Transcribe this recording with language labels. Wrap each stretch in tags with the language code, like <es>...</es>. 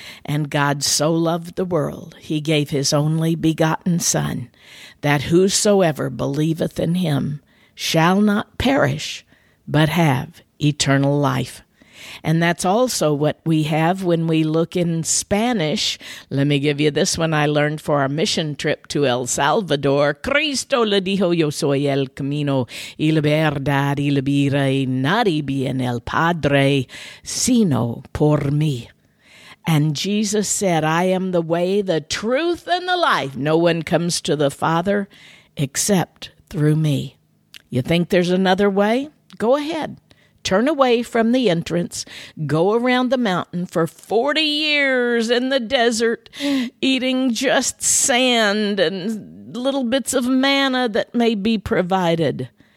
<en>And God so loved the world, he gave his only begotten Son, that whosoever believeth in him shall not perish, but have eternal life. And that's also what we have when we look in Spanish. Let me give you this one I learned for our mission trip to El Salvador.</en> <es>Cristo le dijo, yo soy el camino y la verdad y la vida, y nadie viene al Padre sino por mí.</es> <en>And Jesus said, I am the way, the truth, and the life. No one comes to the Father except through me. You think there's another way? Go ahead. Turn away from the entrance, go around the mountain for 40 years in the desert, eating just sand and little bits of manna that may be provided.</en>